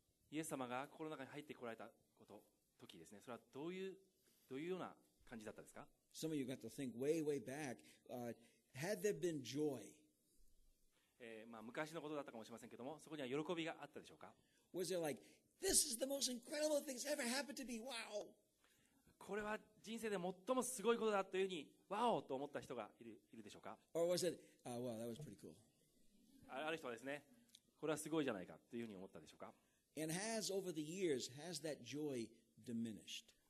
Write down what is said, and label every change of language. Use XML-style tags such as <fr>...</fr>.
<ja>イエス様が心の中に入ってこられたこと時ですね。それはどういうような感じだったですか。</ja> <en>Some of you got to think way, way back. Had there been joy?</en> <ja>まあ昔のことだったかもしれませんけども、そこには喜びがあったでしょうか。</ja> <en>Was there like this is the most incredible thing that's ever happened to me? Wow!</en> <ja>これは人生で最もすごいことだというふうに、わおと思った人がいるでしょうか。</ja> <en>Or was it? Wow, that was pretty cool.</en> <ja>ある人はですね。これはすごいじゃないかというふうに思ったでしょうか。</ja> <en>And has over the years, has that joy diminished?</en>